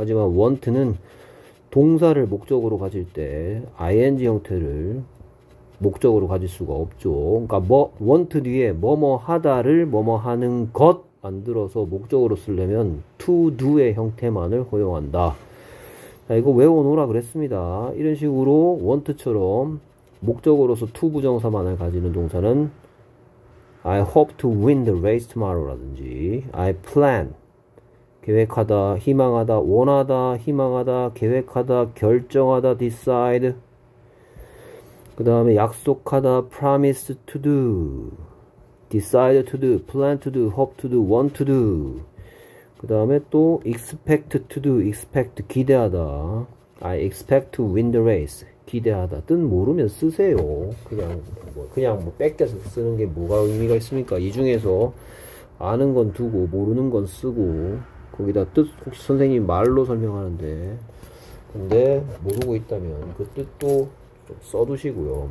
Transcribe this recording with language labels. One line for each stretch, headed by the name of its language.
Korean: 하지만 want는 동사를 목적으로 가질 때 ing 형태를 목적으로 가질 수가 없죠. 그러니까 want 뒤에 뭐뭐 하다를 뭐뭐 하는 것 만들어서 목적으로 쓰려면 to do의 형태만을 허용한다. 자, 이거 외워놓으라 그랬습니다. 이런 식으로 want처럼 목적으로서 to 부정사만을 가지는 동사는
English: I hope to win the race tomorrow
Korean: 라든지 I plan 계획하다, 희망하다, 원하다, 희망하다, 계획하다, 결정하다, decide 그 다음에 약속하다,
English: promise to do decide to do, plan to do, hope to do, want to do 그 다음에 또 expect to do,
Korean: expect 기대하다
English: I expect to win the race.
Korean: 기대하다. 뜻 모르면 쓰세요. 그냥 뭐 뺏겨서 쓰는 게 뭐가 의미가 있습니까? 이 중에서 아는 건 두고 모르는 건 쓰고 거기다 뜻 혹시 선생님이 말로 설명하는데 근데 모르고 있다면 그 뜻도 좀 써두시고요.